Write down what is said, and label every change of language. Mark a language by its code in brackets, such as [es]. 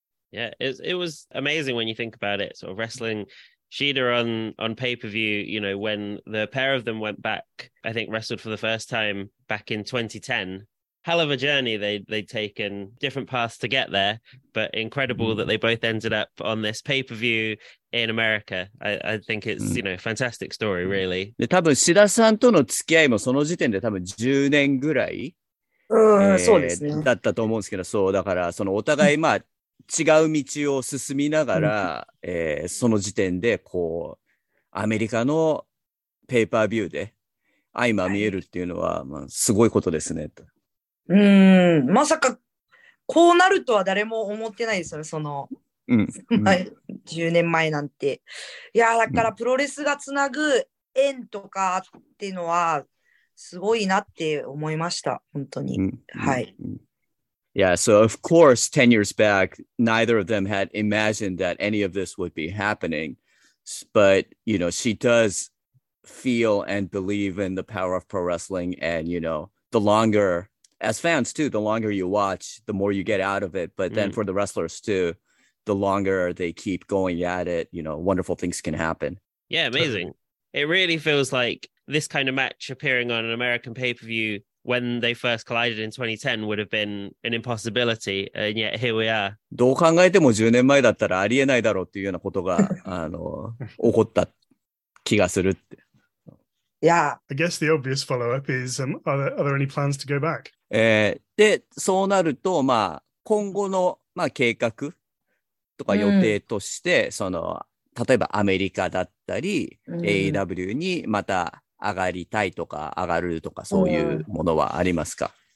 [en] Yeah, it was amazing when you think about it. So wrestling Shida on pay-per-view, you know, when the pair of them went back, I think wrestled for the first time back in 2010. Hell of a journey they'd taken, different paths to get there, but incredible that they both ended up on this pay-per-view in America. I think it's, you know, a fantastic story, really. [ja] で、多分シダさんとの付き合いもその時点で多分10年ぐらい、そうですね。だったと思うんですけど、そう、だからそのお互いまあ、違う道を進みながら、その時点でこうアメリカのペーパービューで相まみえるっていうのは、はい、まあ、すごいことですねと。まさかこうなるとは誰も思ってないですよ、その、10年前なんて。いやだからプロレスがつなぐ縁とかっていうのはすごいなって思いました、本当に。はい。 [en] Yeah, so of course, 10 years back, neither of them had imagined that any of this would be happening. But, you know, she does feel and believe in the power of pro wrestling. And, you know, the longer, as fans too, the longer you watch, the more you get out of it. But then for the wrestlers too, the longer they keep going at it, you know, wonderful things can happen. Yeah, amazing. Totally. It really feels like this kind of match appearing on an American pay-per-view when they first collided in 2010 would have been an impossibility. And yet here we are. [ja] どう考えても10年前だったらありえないだろうっていうようなことが、起こった気がするって。 [en] Yeah. I guess the obvious follow-up is, are there any plans to go back? [ja] で、そうなると、まあ、今後の、まあ、計画とか予定として、mm. その、例えばアメリカだったり、mm. AEW にまた上がりたいとか、上がるとか、そういうものはありますか？